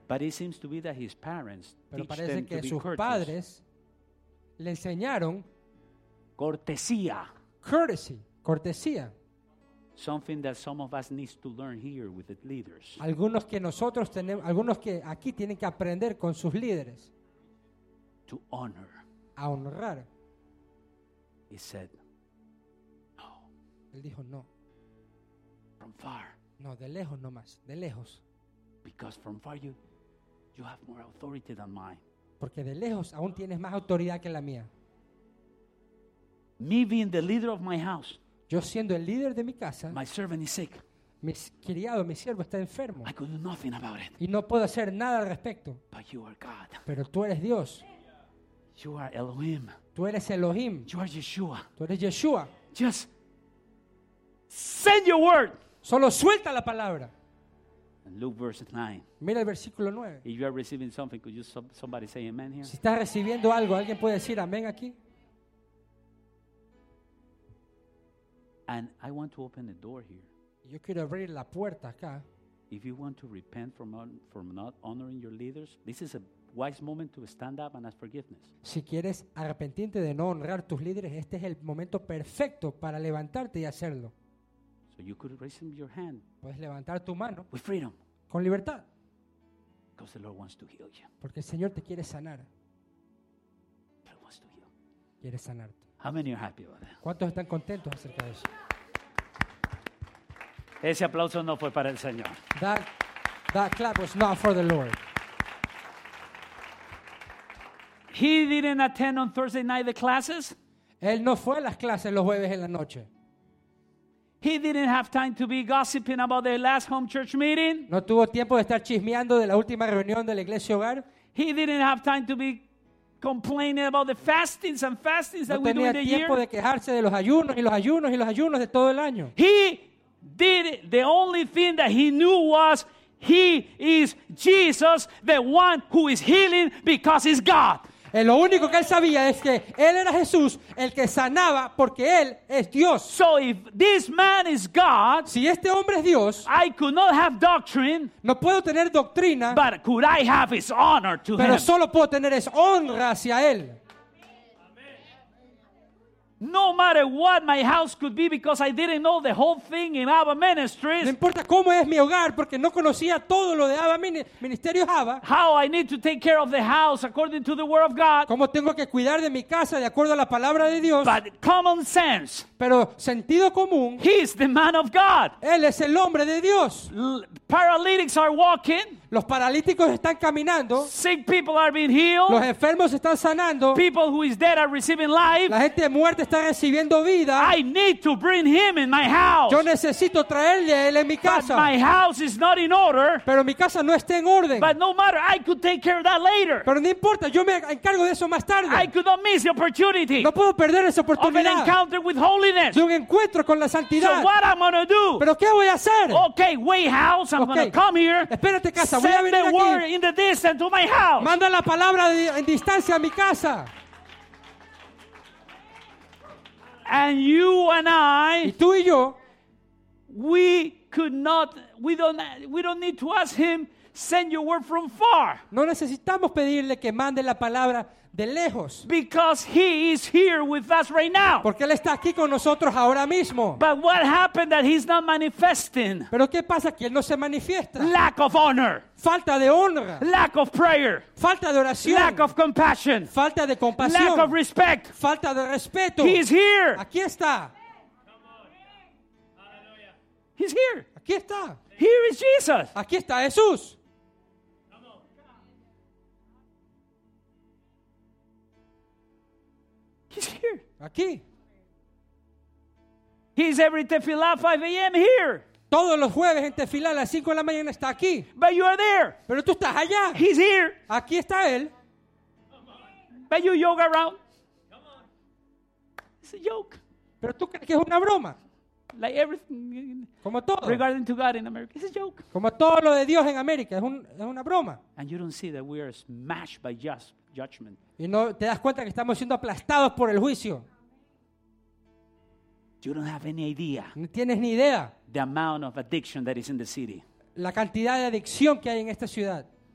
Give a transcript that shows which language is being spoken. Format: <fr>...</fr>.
<en>But it seems to be that his parents</en> <es>Pero parece que sus padres le enseñaron cortesía.</es> <en>Courtesy, cortesía. Something that some of us need to learn here with the leaders.</en> <es>Algunos que nosotros tenemos, algunos que aquí tienen que aprender con sus líderes.</es> <en>To honor.</en> <es>A honrar.</es> <en>He said, no.</en> <es>Él dijo no.</es> <en>From far.</en> <es>No, de lejos nomás, de lejos.</es> <en>Because from far you have more authority than mine.</en> <es>Porque de lejos aún tienes más autoridad que la mía.</es> <en>Me being the leader of my house.</en> <es>Yo siendo el líder de mi casa.</es> <en>My servant is sick.</en> <es>Mi criado, mi siervo está enfermo.</es> <en>I could do nothing about it.</en> <es>Y no puedo hacer nada al respecto.</es> <en>But you are God.</en> <es>Pero tú eres Dios.</es> <en>You are Elohim.</en> <es>Tú eres Elohim.</es> <en>You are Yeshua.</en> <es>Tú eres Yeshua.</es> <en>Just send your word.</en> <es>Solo suelta la palabra.</es> <en>Luke verse 9.</en> <es>Mira el versículo 9.</es> <en>If you are receiving something, could you somebody say amen here?</en> <es>Si estás recibiendo algo, ¿alguien puede decir amén aquí?</es> <en>And I want to open the door here.</en> <es>Yo quiero abrir la puerta acá.</es> <en>If you want to repent from not honoring your leaders, this is a wise moment to stand up and ask forgiveness.</en> <es>Si quieres arrepentirte de no honrar tus líderes, este es el momento perfecto para levantarte y hacerlo.</es> <en>So you could raise your hand.</en> <es>Puedes levantar tu mano.</es> <en>With freedom.</en> <es>Con libertad.</es> <en>Because the Lord wants to heal you.</en> <es>Porque el Señor te quiere sanar.</es> <en>The Lord wants to heal.</en> <es>Quiere sanarte.</es> <en>How many are happy about that?</en> <es>¿Cuántos están contentos acerca de eso? Ese aplauso no fue para el Señor.</es> <en>That clap was not for the Lord. He didn't attend on Thursday night the classes.</en> <es>Él no fue a las clases los jueves en la noche.</es> <en>He didn't have time to be gossiping about the last home church meeting.</en> <es>No tuvo tiempo de estar chismeando de la última reunión de la iglesia hogar.</es> <en>He didn't have time to be complaining about the fastings that we do in the year.</en> <es>No tenía tiempo de quejarse de los ayunos y los ayunos y los ayunos de todo el año.</es> <en>He did it. The only thing that he knew was he is Jesus, the one who is healing because he's God.</en> <es>Lo único que él sabía es que él era Jesús, el que sanaba porque él es Dios.</es> <en>So if this man is God,</en> <es>si este hombre es Dios,</es> <en>I could not have doctrine,</en> <es>no puedo tener doctrina,</es> <en>but could I have his honor to</en> <es>pero</es> <en>him?</en> <es>Solo puedo tener es honra hacia él.</es> <en>No matter what my house could be because I didn't know the whole thing in Abba Ministries.</en> <es>No importa cómo es mi hogar porque no conocía todo lo de Abba Ministerios Abba.</es> <en>How I need to take care of the house according to the word of God.</en> <es>Cómo tengo que cuidar de mi casa de acuerdo a la palabra de Dios.</es> <en>But common sense.</en> <es>Pero sentido común.</es> <en>He is the man of God.</en> <es>Él es el hombre de Dios.</es> <en>Paralytics are walking.</en> <es>Los paralíticos están caminando.</es> <en>Sick people are being healed.</en> <es>Los enfermos están sanando.</es> <en>People who is dead are receiving life.</en> <es>La gente muerta está recibiendo vida.</es> <en>I need to bring him in my house.</en> <es>Yo necesito traerle a él en mi casa.</es> <en>But my house is not in order.</en> <es>Pero mi casa no está en orden.</es> <en>But no matter, I could take care of that later.</en> <es>Pero no importa, yo me encargo de eso más tarde.</es> <en>I could not miss the opportunity.</en> <es>No puedo perder esa oportunidad.</es> <en>Of an encounter with holiness.</en> <es>De un encuentro con la santidad.</es> <en>So what I'm gonna do?</en> <es>Pero qué voy a hacer?</es> <en>Okay, wait, house, I'm okay. Gonna come here.</en> <es>Espérate, casa,</es> <en>send</en> <es>voy a venir</es> <en>the</en> <es>aquí.</es> <en>Word in the distance to my house.</en> <es>Manda la palabra en distancia a mi casa.</es> <en>And you and I,</en> <es>y tú y yo,</es> <en>we don't need to ask him send your word from far.</en> <es>No necesitamos pedirle que mande la palabra de lejos.</es> <en>Because he is here with us right now.</en> <es>Porque él está aquí con nosotros ahora mismo.</es> <en>But what happened that he's not manifesting?</en> <es>Pero qué pasa que él no se manifiesta.</es> <en>Lack of honor.</en> <es>Falta de honra.</es> <en>Lack of prayer.</en> <es>Falta de oración.</es> <en>Lack of compassion.</en> <es>Falta de compasión.</es> <en>Lack of respect.</en> <es>Falta de respeto.</es> <en>He is here.</en> <es>Aquí está.</es> <en>He's here.</en> <es>Aquí está.</es> <en>Here is Jesus.</en> <es>Aquí está Jesús.</es> <en>He's here.</en> <es>Aquí.</es> <en>He's every tefillah 5 a.m. here.</en> <es>Todos los jueves en tefilá a las 5 de la mañana está aquí.</es> <en>But you are there.</en> <es>Pero tú estás allá.</es> <en>He's here.</en> <es>Aquí está él.</es> <en>But you yoga around. It's a joke.</en> <es>Pero tú crees que es una broma.</es> <en>Like everything.</en> <es>Como todo.</es> <en>Regarding to God in America, it's a joke.</en> <es>Como todo lo de Dios en América es una broma.</es> <en>And you don't see that we are smashed by just judgment.</en> <es>Y no te das cuenta que estamos siendo aplastados por el juicio.</es> <en>You don't have any idea.</en> <es>No tienes ni idea.</es> <en>The amount of addiction that is in the city.</en> <es>La cantidad de adicción que hay en esta ciudad.</es>